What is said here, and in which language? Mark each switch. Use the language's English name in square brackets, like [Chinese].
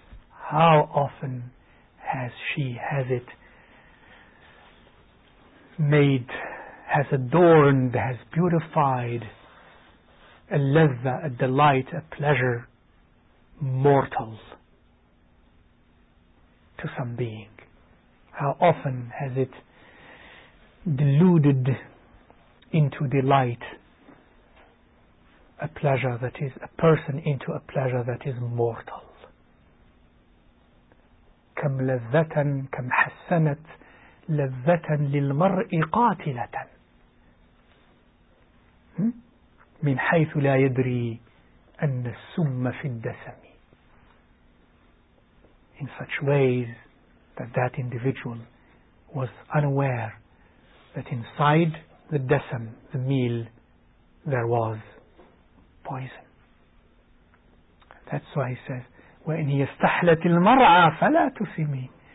[English] How often has she has it made, has adorned, has beautified a لذة, a delight, a pleasure, mortal to some being. How often has it deluded into delight a pleasure that is a person into a pleasure that is mortal. [Arabic] كم لذة كم حسنت لذة للمرء قاتلة من حيث لا يدري أن السم في الدسم. [English] In such ways that individual was unaware that inside the desam, the meal, there was poison. That's why he says, [Arabic] وَإِنْ يَسْتَحْلَتِ الْمَرْعَى فَلَا تُسِمِي.